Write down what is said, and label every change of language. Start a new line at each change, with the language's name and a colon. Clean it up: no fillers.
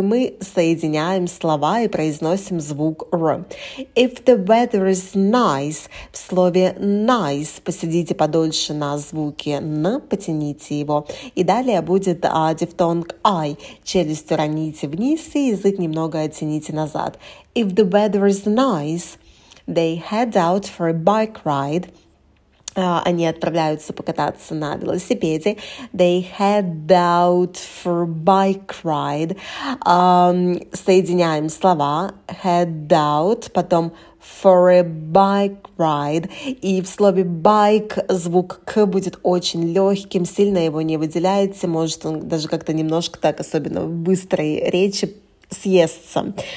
Russian: Мы соединяем слова и произносим звук r.
English: If the weather is nice,
Russian: в слове nice посидите подольше. Дальше на звуке «н» потяните его. И далее будет дифтонг «ай». Челюсть уроните вниз и язык немного оттяните назад.
English: If the weather is nice, they head out for a bike ride.
Russian: Они отправляются покататься на велосипеде.
English: They head out for bike ride.
Russian: Соединяем слова «head out», потом
English: for a bike ride,
Russian: и в слове bike звук «к» будет очень легким, сильно его не выделяется, может он даже как-то немножко так, особенно в быстрой речи, съестся.